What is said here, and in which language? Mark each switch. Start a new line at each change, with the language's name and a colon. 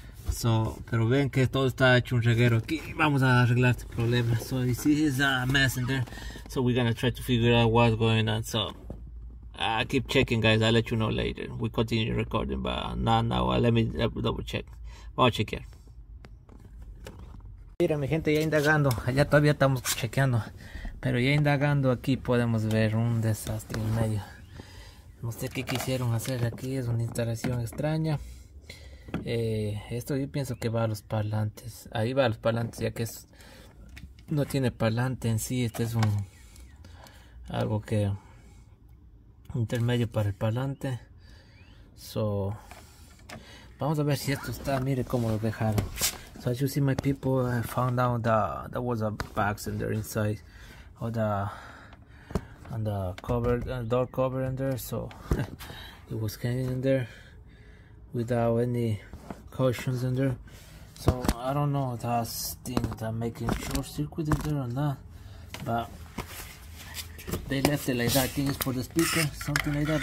Spanish: So pero ven que todo está hecho un reguero aquí. Vamos a arreglar este problema.
English: So you see it's a mess in there, so we're gonna try to figure out what's going on. So I keep checking, guys. I'll let you know later. We continue recording, but now let me double check. I'll check here.
Spanish: Mira, mi gente, ya indagando, allá todavía estamos chequeando, pero ya indagando aquí podemos ver un desastre en medio. No sé qué quisieron hacer aquí, es una instalación extraña. Esto yo pienso que va a los parlantes, ahí va a los parlantes, ya que es, no tiene parlante en sí. Este es un algo que intermedio para el parlante. So, vamos a ver si esto está, mire cómo lo dejaron.
English: So as you see, my people, I found out that there was a box in there inside of the on the cover, door cover in there. So it was hanging in there without any cautions in there. So I don't know if that's thing that making short circuit in there or not, but they left it like that. I think it's for the speaker, something like that.